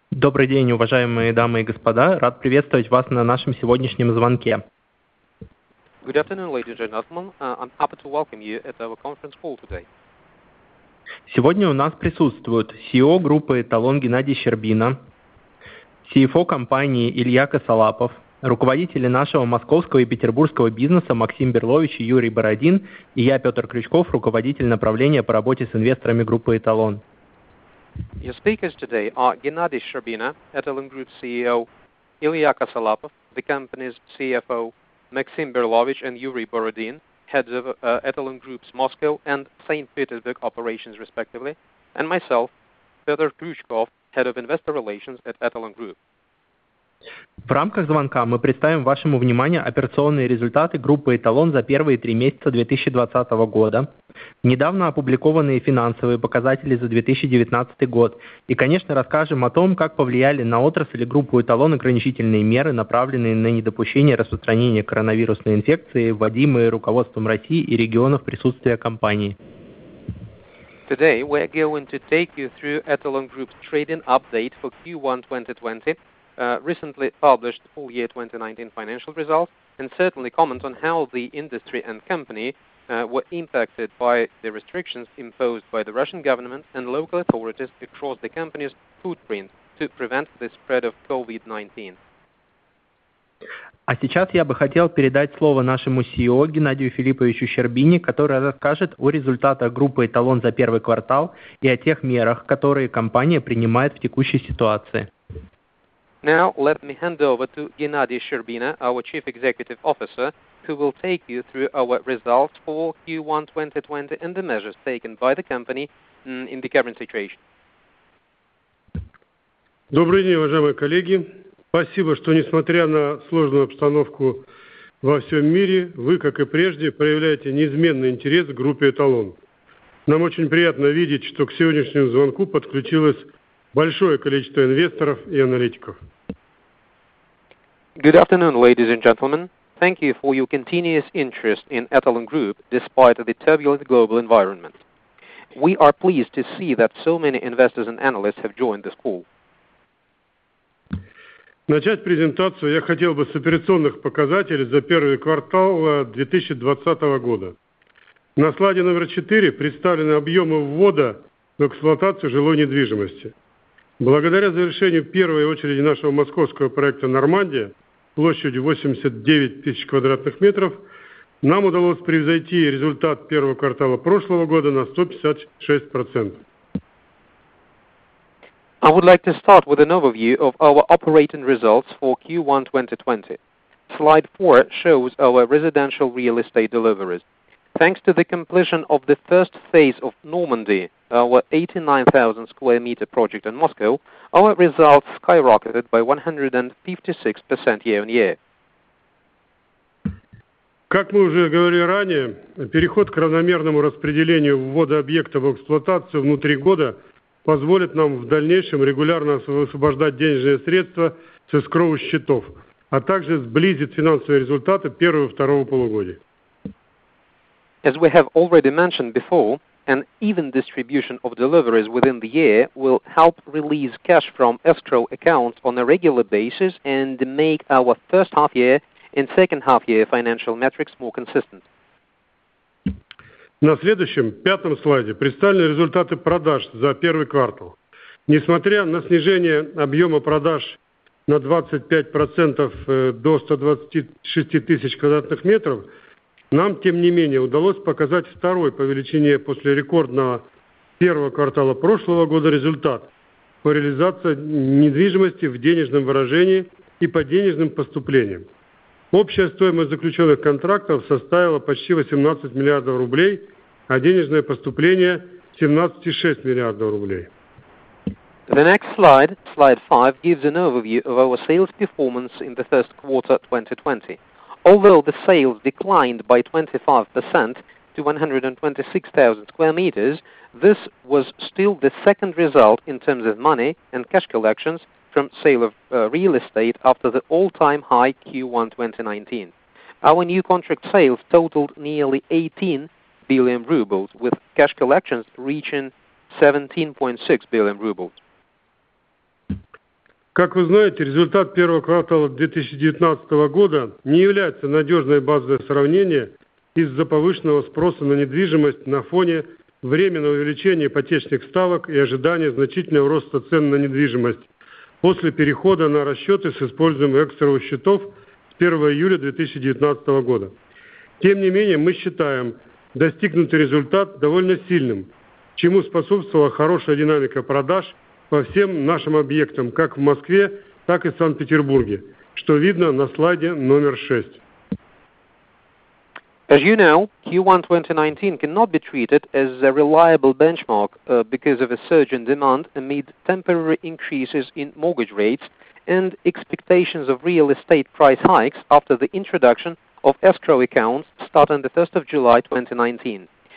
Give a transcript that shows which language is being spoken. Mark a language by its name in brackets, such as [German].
[Russian] Добрый день, уважаемые дамы и господа. Рад приветствовать вас на нашем сегодняшнем звонке. [English] Good afternoon, ladies and gentlemen. I'm happy to welcome you at our conference call today. [Russian] Сегодня у нас присутствуют CEO группы «Эталон» Геннадий Щербина, CFO компании Илья Косолапов, руководители нашего московского и петербургского бизнеса Максим Берлович и Юрий Бородин, и я, Петр Крючков, руководитель направления по работе с инвесторами группы «Эталон». [English] Your speakers today are Геннадий Щербина, Эталон Group CEO, Илья Косолапов, the company's CFO, Максим Берлович and Юрий Бородин, heads of Эталон Group's Moscow and St. Petersburg operations, respectively, and myself, Петр Крючков, head of investor relations at Эталон Group. [Russian] В рамках звонка мы представим вашему вниманию операционные результаты группы «Эталон» за первые три месяца 2020 года, недавно опубликованные финансовые показатели за 2019 год, и, конечно, расскажем о том, как повлияли на отрасль и группу «Эталон» ограничительные меры, направленные на недопущение распространения коронавирусной инфекции, вводимые руководством России и регионов присутствия компании. [English] Today we're going to take you through Эталон Group's trading update for Q1 2020. Recently published full year 2019 financial results, and certainly comment on how the industry and company were impacted by the restrictions imposed by the Russian government and local authorities across the company's footprint to prevent the spread of COVID-19. [Russian] А сейчас я бы хотел передать слово нашему CEO Геннадию Филипповичу Щербине, который расскажет о результатах группы «Эталон» за первый квартал и о тех мерах, которые компания принимает в текущей ситуации. [English] Now, let me hand over to Геннадий Щербина, our Chief Executive Officer, who will take you through our results for Q1 2020 and the measures taken by the company in the current situation. [Russian] Добрый день, уважаемые коллеги. Спасибо, что, несмотря на сложную обстановку во всем мире, вы, как и прежде, проявляете неизменный интерес к группе «Эталон». Нам очень приятно видеть, что к сегодняшнему звонку подключилось большое количество инвесторов и аналитиков. [English] Good afternoon, ladies and gentlemen. Thank you for your continuous interest in Эталон Group despite the turbulent global environment. We are pleased to see that so many investors and analysts have joined this call. [Russian] Начать презентацию я хотел бы с операционных показателей за первый квартал 2020 года. На слайде номер 4 представлены объемы ввода в эксплуатацию жилой недвижимости. Благодаря завершению первой очереди нашего московского проекта «Нормандия» площадью 89 тысяч квадратных метров, нам удалось превзойти результат первого квартала прошлого года на 156%. [English] I would like to start with an overview of our operating results for Q1 2020. Slide 4 shows our residential real estate deliveries. Thanks to the completion of the first phase of Normandy, our 89,000 square meter project in Moscow, our results skyrocketed by 156% year-on-year. [Russian] Как мы уже говорили ранее, переход к равномерному распределению ввода объекта в эксплуатацию внутри года позволит нам в дальнейшем регулярно освобождать денежные средства с эскроу счетов, а также сблизит финансовые результаты первого и второго полугодия. [English] As we have already mentioned before, an even distribution of deliveries within the year will help release cash from escrow accounts on a regular basis and make our first half year and second half year financial metrics more consistent. [Russian] На следующем, пятом слайде представлены результаты продаж за первый квартал. Несмотря на снижение объема продаж на 25% до 126 тысяч квадратных метров, нам, тем не менее, удалось показать второй по величине после рекордного первого квартала прошлого года результат по реализации недвижимости в денежном выражении и по денежным поступлениям. Общая стоимость заключенных контрактов составила почти 18 миллиардов рублей, а денежное поступление 17,6 миллиардов рублей. [English] The next slide, slide 5, gives an overview of our sales performance in the first quarter 2020. Although the sales declined by 25% to 126,000 square meters, this was still the second result in terms of money and cash collections from sale of real estate after the all-time high Q1 2019. Our new contract sales totaled nearly 18 billion rubles, with cash collections reaching 17.6 billion rubles. [Russian] Как вы знаете, результат первого квартала 2019 года не является надежной базой сравнения из-за повышенного спроса на недвижимость на фоне временного увеличения ипотечных ставок и ожидания значительного роста цен на недвижимость после перехода на расчеты с использованием экстренных счетов с 1 июля 2019 года. Тем не менее, мы считаем достигнутый результат довольно сильным, чему способствовала хорошая динамика продаж по всем нашим объектам, как в Москве, так и в Санкт-Петербурге, что видно на слайде номер 6. [English] As you know, Q1 2019 cannot be treated as a reliable benchmark because of a surge in demand amid temporary increases in mortgage rates and expectations of real estate price hikes after the introduction of escrow accounts starting the 1st of July 2019.